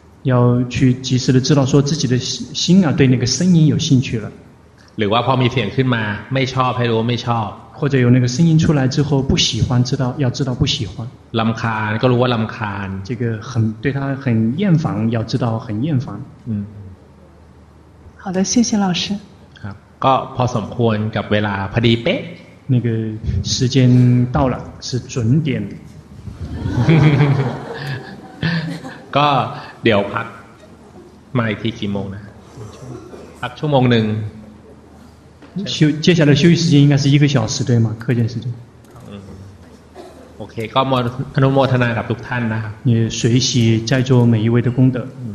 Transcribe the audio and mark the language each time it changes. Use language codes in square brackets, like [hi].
[zh] 要去及时的知道说自己的心啊对那个声音有兴趣了 [th] หรือว่าพอมีเสียงขึ้นมาไม่ชอบให้รู้ว่าไม่ชอบ [zh] 或者有那个声音出来之后不喜欢知道要知道不喜欢 [th] รำคาญก็รู้ว่ารำคาญ [zh] 这个很对他很厌烦要知道很厌烦好的谢谢老师 [th] ครับก็พอสมควรกับเวลาพอดีเป๊ะ [zh] 那个时间到了是准点 [th] ก็เดี๋ยวพักมาอีกทีกี่โมงนะพักชั่วโมงหนึ่ง [zh] 接下来休息时间应该是一个小时对吗课间时间 [th] โอเคก็อนุโมทนากับทุกท่านนะ [zh] 也随喜在座每一位的功德